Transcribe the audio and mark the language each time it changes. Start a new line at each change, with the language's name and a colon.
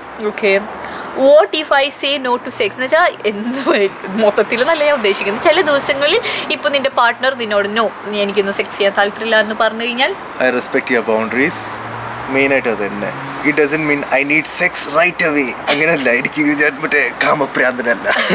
English: okay, what if I say no to sex
Malayalam: എന്ന് വെച്ചാൽ എന്ത്? മൊത്തത്തിൽ നല്ല ഞാൻ ഉദ്ദേശിക്കുന്നത് ചില ദിവസങ്ങളിൽ ഇപ്പൊ നിന്റെ പാർട്ട്ണർ നിന്നോട് നോ, നീ എനിക്കൊന്നും സെക്സ് ചെയ്യാൻ താല്പര്യമില്ല എന്ന് പറഞ്ഞു കഴിഞ്ഞാൽ
English: I respect your boundaries.
Malayalam: Main ആയിട്ട് അത് തന്നെ.
English: It doesn't mean I need sex right away.
Malayalam: അങ്ങനെ അല്ല എനിക്ക് മറ്റേ കാമപ്രാന്തനല്ല.